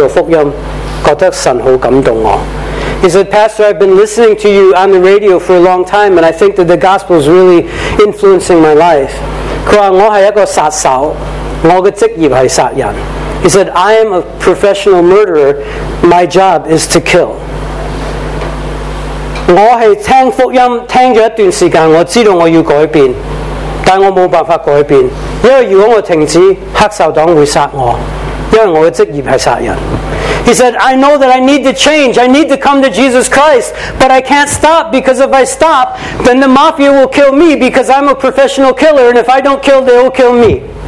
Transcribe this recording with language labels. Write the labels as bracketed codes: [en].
[zh] 那個殺手在報道會跟牧師說，牧師，我一直聽你的電台節目，一直聽到福音，覺得神好感動我。 [en] He said, Pastor, I've been listening to you on the radio for a long time, and I think that the gospel is really influencing my life. [zh] 他說，我是一個殺手，我的職業是殺人。 [en] He said, I am a professional murderer. My job is to kill. [zh] 我是聽福音聽了一段時間，我知道我要改變，但我沒辦法改變，因為如果我停止，黑手黨會殺我，因為我的職業是殺人。He [en] said, I know that I need to change. I need to come to Jesus Christ, but I can't stop, because if I stop, then the mafia will kill me, because I'm a professional killer, and if I don't kill, they will kill me.